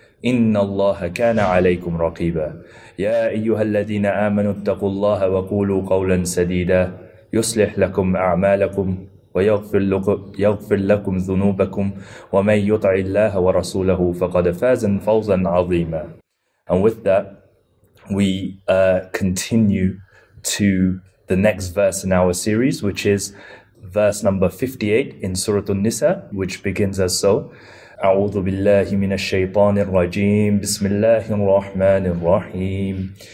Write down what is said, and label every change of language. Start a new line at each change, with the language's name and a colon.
Arabic: إن الله كان عليكم رقيبا يا أيها الذين آمنوا اتقوا الله وقولوا قولا سديدا يصلح لكم أعمالكم ويغفر لكم ذنوبكم ومن يطع الله ورسوله فقد فاز فوزا عظيما.
English: And with that, we continue to the next verse in our series, which is verse number 58 in Surah An-Nisa, which begins as so.
Arabic: أعوذ بالله من الشيطان الرجيم بسم الله الرحمن الرحيم.